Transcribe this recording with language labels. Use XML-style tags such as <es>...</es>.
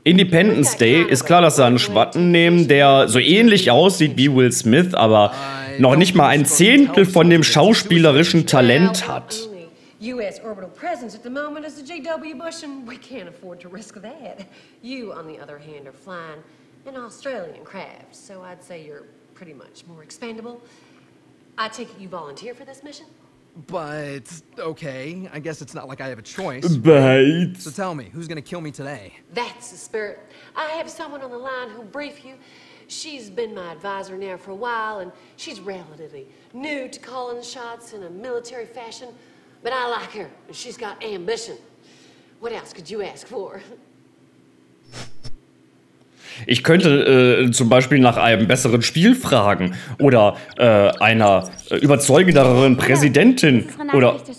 <de>Independence Day, ist klar, dass sie einen Schwatten nehmen, der so ähnlich aussieht wie Will Smith, aber noch nicht mal ein Zehntel von dem schauspielerischen Talent hat.</de> <en>U.S. Orbital Presence at the moment is the J.W. Bush, and we can't afford to risk that. You, on the other hand, are flying an Australian craft, so I'd say you're pretty much more expandable. I take it you volunteer for this mission? But, okay, I guess it's not like I have a choice. But... So tell me, who's gonna kill me today? That's the spirit. I have someone on the line who'll brief you. She's been my advisor now for a while, and she's relatively new to calling the shots in a military fashion. But I like her, and she's got ambition. What else could you ask for?</en> <de>Ich könnte zum Beispiel nach einem besseren Spiel fragen oder einer überzeugenderen Präsidentin oder</de>